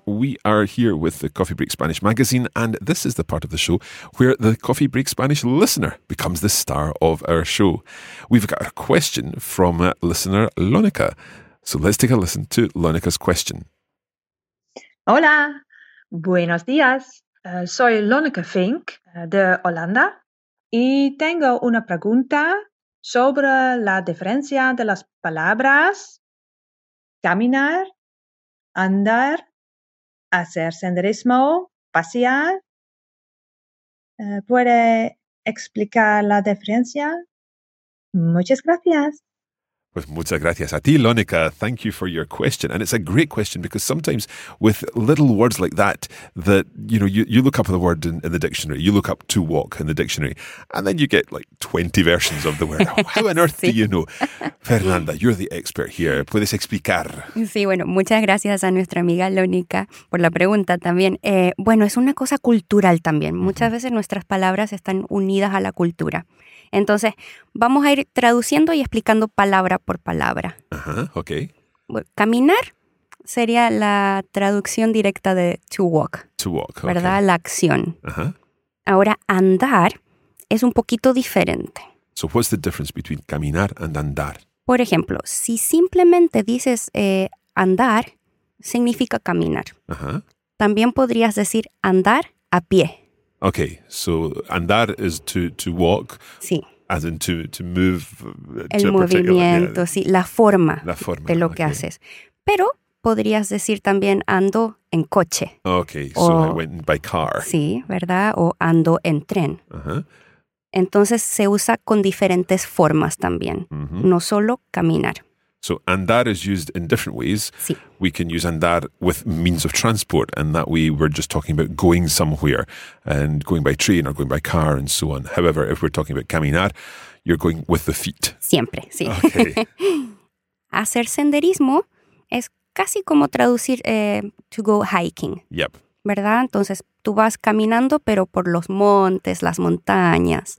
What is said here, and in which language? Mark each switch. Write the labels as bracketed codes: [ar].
[en] We are here with the Coffee Break Spanish magazine, and this is the part of the show where the Coffee Break Spanish listener becomes the star of our show. We've got a question from listener Lonica. So let's take a listen to Lonica's question. [es] Hola, buenos días. Soy Lonica Fink de Holanda y tengo una pregunta sobre la diferencia de las palabras caminar, andar, hacer senderismo, pasear. ¿Puede explicar la diferencia? Muchas gracias. Pues muchas gracias a ti, Lonica. [en] Thank you for your question. And it's a great question because sometimes with little words like that, that you know, you look up the word in the dictionary, you look up to walk in the dictionary, and then you get like 20 versions of the word. How on earth do you know? Fernanda, you're the expert here. [es] ¿Puedes explicar? Sí, bueno, muchas gracias a nuestra amiga Lonica por la pregunta también. Bueno, es una cosa cultural también. Muchas mm-hmm. veces nuestras palabras están unidas a la cultura. Entonces, vamos a ir traduciendo y explicando palabra por palabra. Ajá, ok. Caminar sería la traducción directa de to walk. [en] To walk, ok. [es] ¿Verdad? La acción. Ajá. Ahora, andar es un poquito diferente. [en] So, what's the difference between caminar and andar? [es] Por ejemplo, si simplemente dices andar, significa caminar. Ajá. También podrías decir andar a pie. [en] Okay, so andar is to walk, [es] sí. [en] As in to move. [es] El [en] to [es] movimiento, particular, yeah. Sí, la forma de lo okay. que haces. Pero podrías decir también ando en coche. [en] Okay, o, so I went by car. [es] Sí, ¿verdad? O ando en tren. Uh-huh. Entonces se usa con diferentes formas también, uh-huh. no solo caminar. [en] So andar is used in different ways. [es] Sí. [en] We can use andar with means of transport, and that way we're just talking about going somewhere and going by train or going by car and so on. However, if we're talking about caminar, you're going with the feet. [es] Siempre, sí. [en] Okay. [es] Hacer senderismo es casi como traducir [en] to go hiking. Yep. [es] ¿Verdad? Entonces, tú vas caminando, pero por los montes, las montañas.